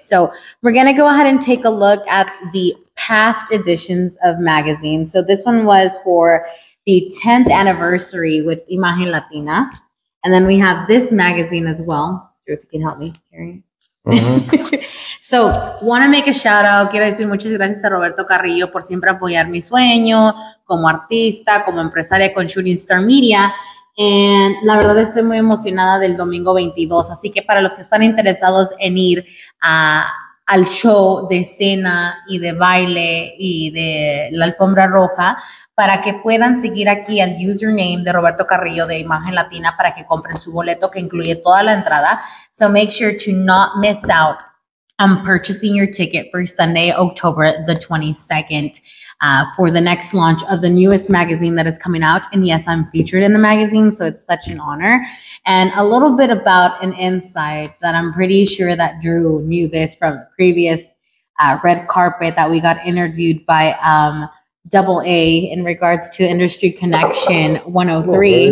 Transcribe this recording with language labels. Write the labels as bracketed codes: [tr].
[en] So we're going to go ahead and take a look at the past editions of magazines. So this one was for the 10th anniversary with Imagen Latina. And then we have this magazine as well. Drew, if you can help me carry it. Mm-hmm. So, want to make a shout out. [es] Quiero decir muchas gracias a Roberto Carrillo por siempre apoyar mi sueño como artista, como empresaria con Shooting Star Media. And la verdad estoy muy emocionada del domingo 22. Así que para los que están interesados en ir al show de cena y de baile y de la alfombra roja, para que puedan seguir aquí al username de Roberto Carrillo de Imagen Latina para que compren su boleto que incluye toda la entrada. [en] So make sure to not miss out on purchasing your ticket for Sunday, October the 22nd for the next launch of the newest magazine that is coming out. And yes, I'm featured in the magazine, so it's such an honor. And a little bit about an insight that I'm pretty sure that Drew knew this from previous red carpet that we got interviewed by Double A in regards to Industry Connection 103.